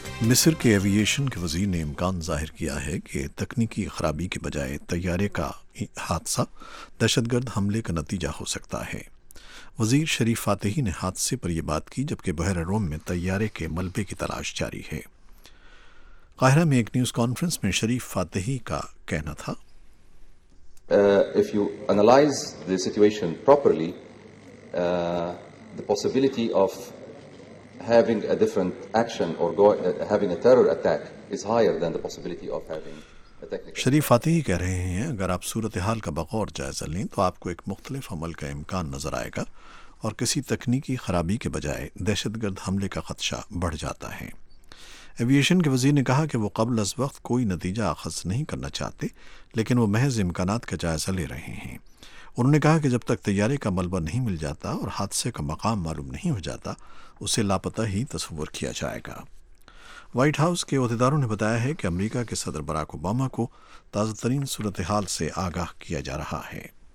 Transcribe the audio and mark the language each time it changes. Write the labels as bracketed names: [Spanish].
[Urdu] مصر کے ایویشن کے وزیر نے امکان ظاہر کیا ہے کہ تکنیکی خرابی کے بجائے طیارے کا حادثہ دہشت گرد حملے کا نتیجہ ہو سکتا ہے۔ وزیر شریف فاتحی نے حادثے پر یہ بات کی جبکہ بحر روم میں طیارے کے ملبے کی تلاش جاری ہے۔ قاہرہ میں ایک نیوز کانفرنس میں شریف فاتحی کا کہنا تھا، [English] If you analyze the situation properly, the possibility of having a different action or having a terror attack is higher than the possibility of having a technical... [Urdu] شریف فاتحی کہہ رہے ہیں، اگر آپ صورتحال کا بغور جائزہ لیں تو آپ کو ایک مختلف عمل کا امکان نظر آئے گا اور کسی تکنیکی خرابی کے بجائے دہشت گرد حملے کا خدشہ بڑھ جاتا ہے۔ ایویشن کے وزیر نے کہا کہ وہ قبل از وقت کوئی نتیجہ اخذ نہیں کرنا چاہتے، لیکن وہ محض امکانات کا جائزہ لے رہے ہیں۔ انہوں نے کہا کہ جب تک طیارے کا ملبہ نہیں مل جاتا اور حادثے کا مقام معلوم نہیں ہو جاتا، اسے لاپتہ ہی تصور کیا جائے گا۔ وائٹ ہاؤس کے عہدیداروں نے بتایا ہے کہ امریکہ کے صدر براک اوباما کو تازہ ترین صورتحال سے آگاہ کیا جا رہا ہے۔